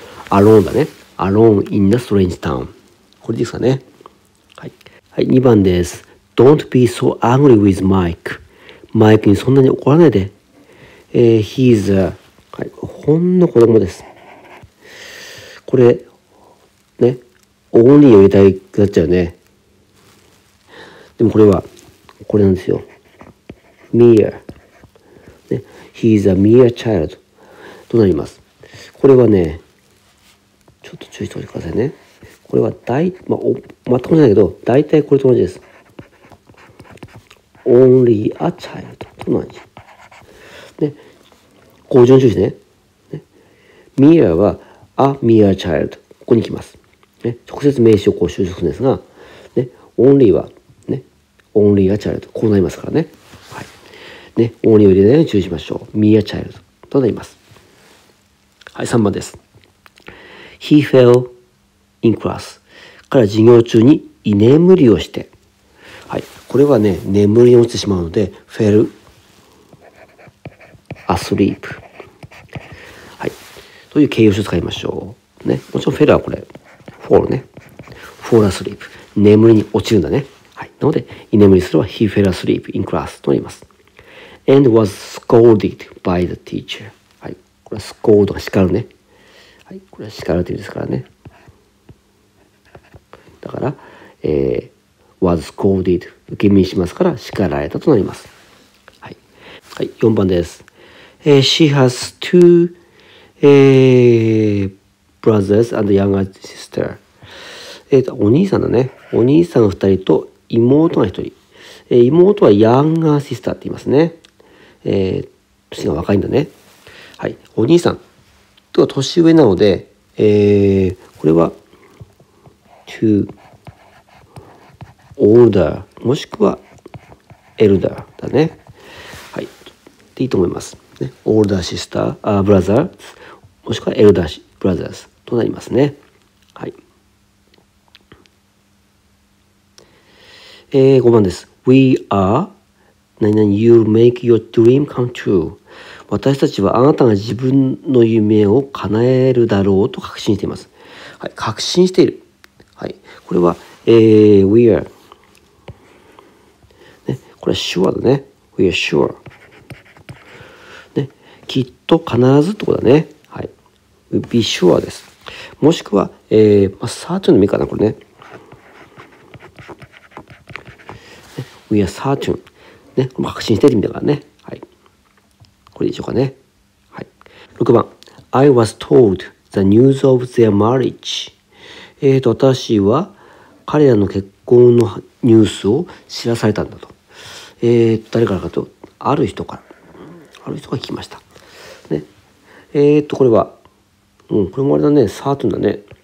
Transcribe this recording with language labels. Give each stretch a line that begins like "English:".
English: アローンだね。アローンインナストレンジタウン。
Japanese: これですかね。はい。はい、2番です。
English: Don't be so angry with Mike.
Japanese: マイクにそんなに怒らないで。
English: He's a、
Japanese: はい、ほんの子供です。これ、ね、only を言いたくなっちゃうね。でもこれは、これなんですよ。
English: mere、ね。He's a mere child.
Japanese: となります。これはね、ちょっと注意しておいてくださいね。これは大、まあ、全く同じだけど、大体これと同じです。
English: Only a child と同じ。
Japanese: ね、語順注意ね。
English: ね、mere は a mere child。
Japanese: ここに来ます。ね、直接名詞をこう収束するんですが、ね、only は、ね、
English: only a child。
Japanese: こうなりますからね。はい。ね、only を入れないように注意しましょう。mere child となります。
English: はい、3番です。He fell in class.
Japanese: 彼は授業中に居眠りをして。はい。これはね、眠りに落ちてしまうので、fell asleep。はい。という形容詞を使いましょう。ね。もちろん fell はこれ、fall ね。 fall asleep。 眠りに落ちるんだね。はい。なので、居眠りすれば、
English: he fell asleep in class
Japanese: となります。
English: and was scolded by the teacher.
Japanese: はい。これは scold が叱るね。はい、これは叱るという意味ですからね。だから、 was scolded 受け身にしますから叱られたとなります。はい、はい、4番です。
English: She has two brothers and younger sister。
Japanese: お兄さんだね。お兄さん2人と妹が1人。妹は
English: younger sister
Japanese: って言いますね。年が若いんだね。はい、お兄さんとは年上なので、これは to older もしくは elder だね。はい、でいいと思います。ね、
English: older sister、
Japanese: brother もしくは elder brothers となりますね。はい。 5番です。
English: We are
Japanese: 何々
English: you make your dream come true。
Japanese: 私たちはあなたが自分の夢を叶えるだろうと確信しています。はい、確信している。はい、これは、
English: We are、
Japanese: ね、これは sure だね。
English: We are sure、
Japanese: ね、きっと必ずってことだね。
English: はい、We be sure
Japanese: です。もしくは、certain でもいいかな、これね。ね、
English: We are certain、
Japanese: ね、これも確信しているみたいだからね。これでしょうかね。はい、6番
English: I was told the news of their marriage。
Japanese: 私は彼らの結婚のニュースを知らされたんだと。誰からかというと、ある人から、ある人が聞きましたね。これは、うん、これもあれだね、サートゥンだね。